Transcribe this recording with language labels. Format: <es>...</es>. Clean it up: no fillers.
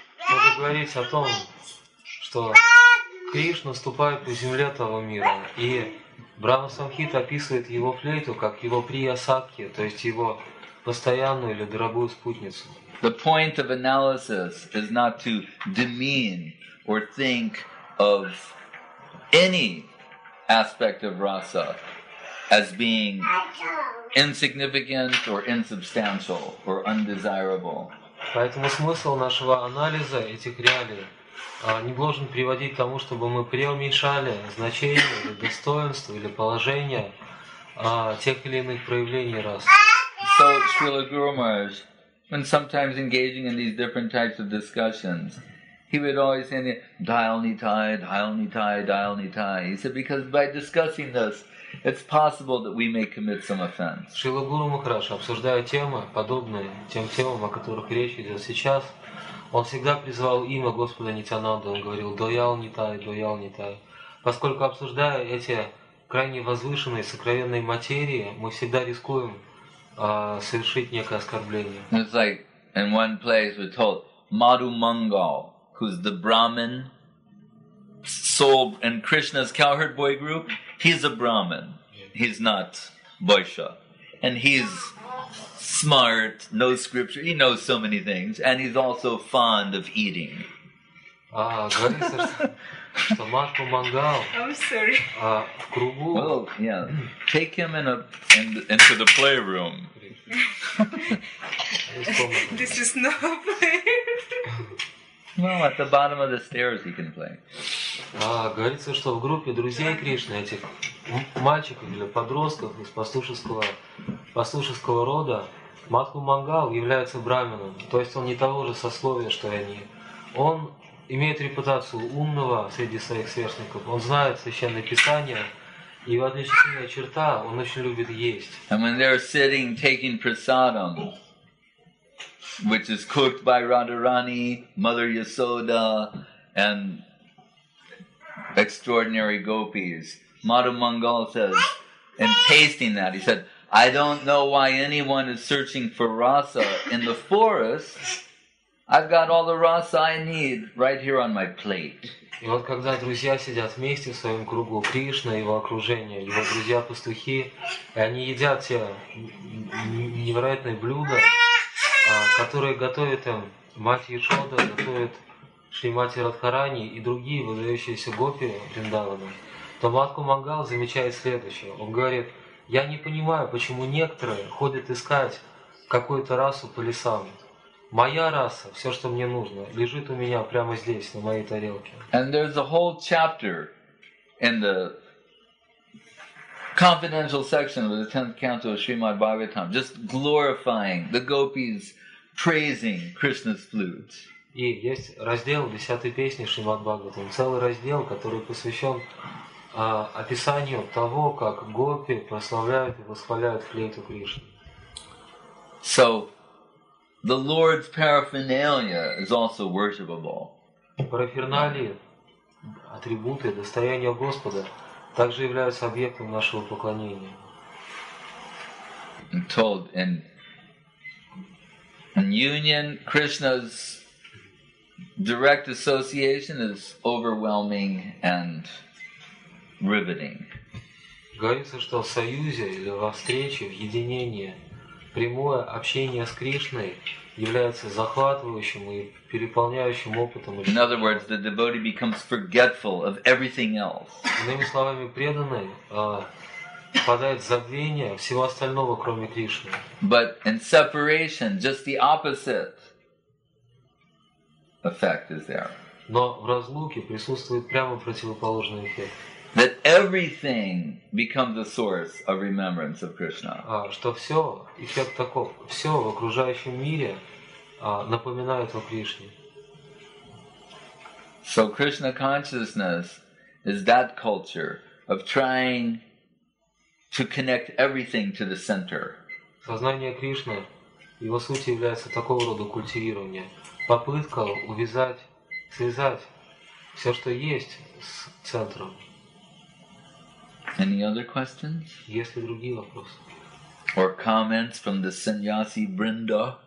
<ru>Можно говорить о том, что Кришна ступает по земле того мира, и Брама Самхита описывает его флейту как его прия-сакхи, то есть его постоянную или дорогую спутницу.</ru> <en>The point of analysis is not to demean or think of any aspect of rasa as being insignificant or insubstantial or undesirable.</en> <ru>Поэтому смысл нашего анализа этих реалий не должен приводить к тому, чтобы мы преуменьшали значение, или достоинство или положение тех или иных проявлений рас.</ru> <en>So, Srila Guru Maharaj, when sometimes engaging in these different types of discussions, he would always say, dhyalnitai, dhyalnitai, dhyalnitai. He said, because by discussing this, it's possible that we may commit some offense.</en> <ru>Srila Guru Maharaj, обсуждая темы, подобные тем темам, о которых речь идет сейчас, он всегда призывал имя Господа Нитянанды, он говорил «Доял не тай, доял не тай». Поскольку обсуждая эти крайне возвышенные, сокровенные материи, мы всегда рискуем совершить некое оскорбление.</ru> <en>It's like in one place we're told Madhu Mangal, who's the Brahmin, soul in Krishna's cowherd boy group, he's a Brahmin, he's not Vaishya. And he's smart, knows scripture, he knows so many things, and he's also fond of eating.</en> <ru>А, говори, что Маху Мангал.</ru> <en>I'm sorry. А, в кругу. Well, yeah. Take him in a in, into the playroom. This is not a playroom. Well, at the bottom of the stairs he can play.</en> <ru>А, говорится, что в группе друзей Кришны этих мальчиков для подростков из пастушеского рода Маху Мангал является брахманом, то есть он не того же сословия, что и они. Он имеет репутацию умного среди своих сверстников. Он знает священное писание, и его отличительная черта — он очень любит есть.</ru> <en>And when they're sitting taking prasadam, which is cooked by Radharani, Mother Yasoda, and extraordinary gopis, Madhu Mangal says, and tasting that, he said, "I don't know why anyone is searching for rasa in the forest. I've got all the rasa I need right here on my plate."</en> <ru>И вот когда друзья сидят вместе в своем кругу, Кришна, его окружение, его друзья пастухи, и они едят те невероятные блюда, которые готовят им мать Яшода, готовят Шримати Радхарани и другие выдающиеся гопи Вриндавана, то Матху Мангал замечает следующее. Он говорит: "Я не понимаю, почему некоторые ходят искать какую-то расу по лесам. Моя раса, все, что мне нужно, лежит у меня прямо здесь, на моей тарелке."</ru> <en>And there's a whole chapter in the confidential section of the 10th canto of Srimad Bhagavatam, just glorifying the gopis, praising Krishna's flutes.</en> <ru>И есть раздел 10-й песни Шримад Бхагаватам, целый раздел, который посвящен описанию того, как гопи прославляют и восхваляют флейту Кришны.</ru> <en>So, the Lord's paraphernalia is also worshipable.</en> <ru>Параферналии, атрибуты, достояния Господа также являются объектом нашего поклонения.</ru> <en>I'm told in union, Krishna's direct association is overwhelming and riveting.</en> <ru>Говорится, что в союзе или во встрече, в единении, прямое общение с Кришной является захватывающим и переполняющим опытом.</ru> <en>In other words, the devotee becomes forgetful of everything else.</en> <ru>Иными словами, преданный впадает в забвение всего остального, кроме Кришны.</ru> <en>But in separation, just the opposite effect is there.</en> <ru>Но в разлуке присутствует прямо противоположный эффект.</ru> <en>That everything becomes the source of remembrance of Krishna.</en> <ru>А что все эффект таков? Все в окружающем мире напоминает о Кришне.</ru> <en>So Krishna consciousness is that culture of trying to connect everything to the center.</en> <ru>Сознание Кришны, его суть является такого рода культивирование. Попытка увязать, связать все, что есть, с центром.</ru> <en>Any other questions?</en> <ru>Есть ли другие вопросы?</ru> <en>Or comments from the Sannyasi Brinda?</en>